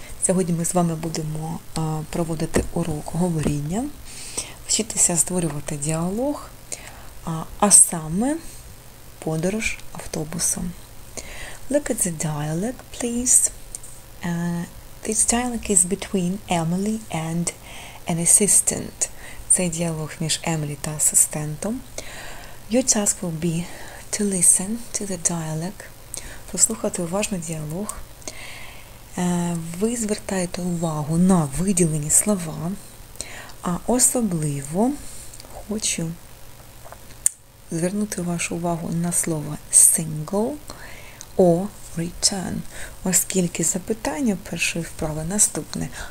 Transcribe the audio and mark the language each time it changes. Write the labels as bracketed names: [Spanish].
[Ukrainian] Сьогодні ми з вами будемо проводити урок говоріння, вчитися створювати діалог, а саме подорож автобусом. [English] Look at the dialogue, please. This dialogue is between Emily and an assistant. [Ukrainian] Цей діалог між Емілі та асистентом. [English] Your task will be to listen to the dialogue. [Ukrainian] Послухати уважно діалог. Ви звертаєте увагу на виділені слова, а особливо хочу звернути вашу увагу на слово [English] single or return, [Ukrainian] оскільки запитання першої вправи наступне.